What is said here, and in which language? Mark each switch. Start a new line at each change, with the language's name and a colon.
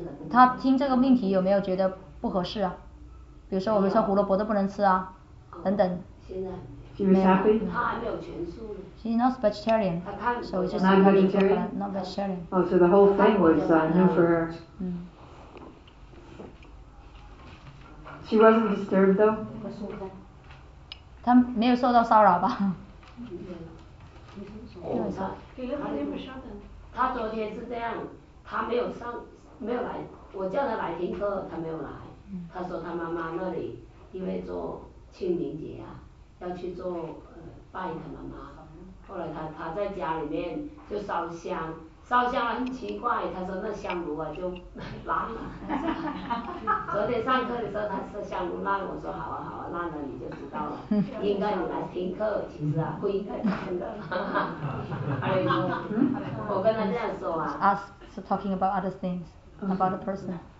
Chinese: 他听这个命题有没有觉得不合适啊？比如说我们说胡萝卜都不能吃啊，等等。现在没有，他还没有全素。
English: She's not vegetarian, so it's just not vegetarian. Oh, so the whole thing was new for her. She wasn't disturbed though.
Chinese: 他没有受到骚扰吧？没有。给了还没上呢。他昨天是这样。他没有上，没有来，我叫他来听课，他没有来。他说他妈妈那里因为做清明节啊，要去做拜他妈妈。后来他在家里面就烧香，烧香很奇怪，他说那香炉啊就烂了。昨天上课的时候他说香炉烂，我说好啊好啊，烂了你就知道了，应该你来听课，其实啊不应该听的。还有说，我跟他这样说啊。
English: So talking about other things, about the person.